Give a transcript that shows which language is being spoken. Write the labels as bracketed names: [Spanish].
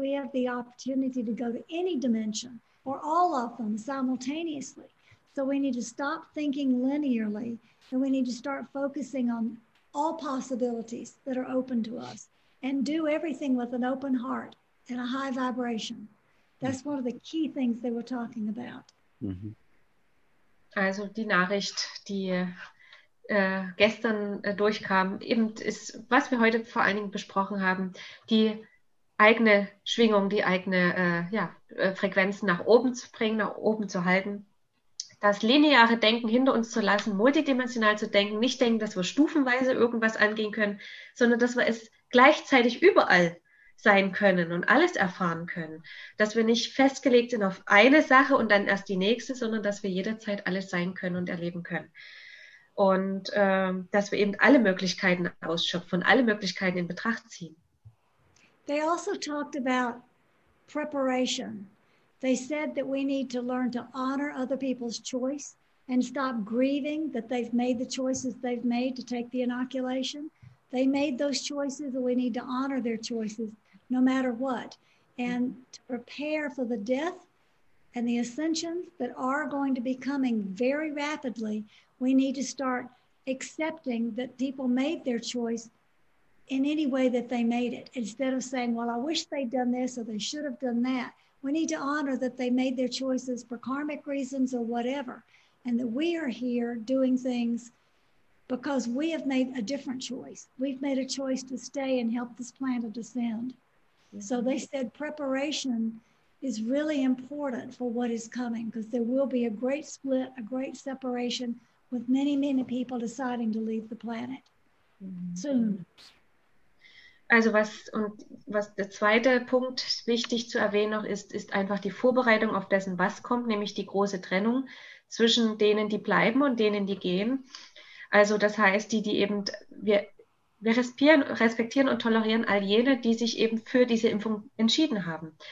[English] We have the opportunity to go to any dimension, or all of them simultaneously. So we need to stop thinking linearly, and we need to start focusing on all possibilities that are open to us, and do everything with an open heart and a high vibration. That's one of the key things they were talking about. Mm-hmm. [German] Also die Nachricht, die gestern durchkam, eben ist, was wir heute vor allen Dingen besprochen haben, die eigene Schwingung, die eigene Frequenzen nach oben zu bringen, nach oben zu halten, das lineare Denken hinter uns zu lassen, multidimensional zu denken, nicht denken, dass wir stufenweise irgendwas angehen können, sondern dass wir es gleichzeitig überall sein können und alles erfahren können. Dass wir nicht festgelegt sind auf eine Sache und dann erst die nächste, sondern dass wir jederzeit alles sein können und erleben können. Und dass wir eben alle Möglichkeiten ausschöpfen, alle Möglichkeiten in Betracht ziehen. [English] They also talked about preparation. They said that we need to learn to honor other people's choice and stop grieving that they've made the choices they've made to take the inoculation. They made those choices and we need to honor their choices no matter what. And to prepare for the death and the ascensions that are going to be coming very rapidly, we need to start accepting that people made their choice in any way that they made it. Instead of saying, well, I wish they'd done this or they should have done that. We need to honor that they made their choices for karmic reasons or whatever. And that we are here doing things because we have made a different choice. We've made a choice to stay and help this planet ascend. So they said preparation is really important for what is coming because there will be a great split, a great separation with many, many people deciding to leave the planet soon. [German] Also was der zweite Punkt wichtig zu erwähnen noch ist, ist einfach die Vorbereitung auf dessen, was kommt, nämlich die große Trennung zwischen denen, die bleiben und denen, die gehen. Also das heißt, die eben, wir respektieren und tolerieren all jene, die sich eben für diese Impfung entschieden haben.